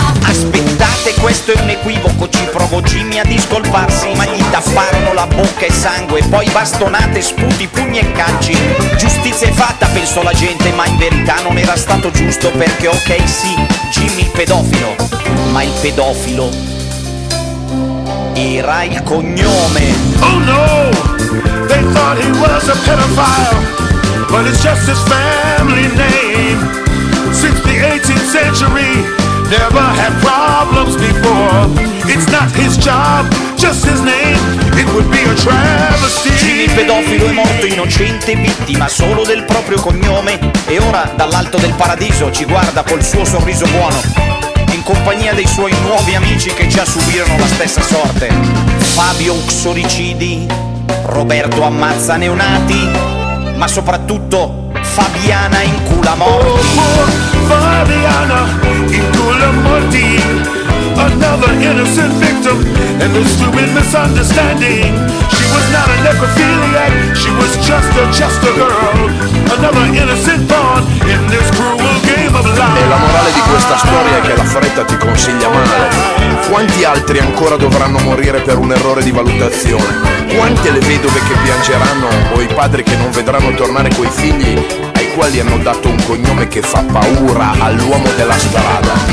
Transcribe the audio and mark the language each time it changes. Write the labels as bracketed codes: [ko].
[it] Aspettate, questo è un equivoco, ci provo Jimmy a discolparsi, ma gli tapparono la bocca e sangue, poi bastonate, sputi, pugni e calci. Giustizia è fatta, pensò la gente, ma in verità non era stato giusto, perché ok sì, Jimmy il pedofilo, ma il pedofilo era il cognome. [en] Oh no, they thought he was a pedophile, but it's just his family name. Since the 18th century, never had problems before. It's not his job, just his name. It would be a travesty. [it] Jimmy pedofilo è morto innocente, vittima solo del proprio cognome, e ora dall'alto del paradiso ci guarda col suo sorriso buono, in compagnia dei suoi nuovi amici che già subirono la stessa sorte. Fabio uxoricidi, Roberto ammazza neonati, ma soprattutto Fabiana incula morti. [en] Oh, poor Fabiana incula morti, another innocent victim and a stupid misunderstanding. She was not a necrophiliac, she was just a girl, another innocent born in this cruel game of life. [it] E la morale finale di questa storia è che la fretta ti consiglia male. Quanti altri ancora dovranno morire per un errore di valutazione? Quante le vedove che piangeranno o i padri che non vedranno tornare coi figli ai quali hanno dato un cognome che fa paura all'uomo della strada?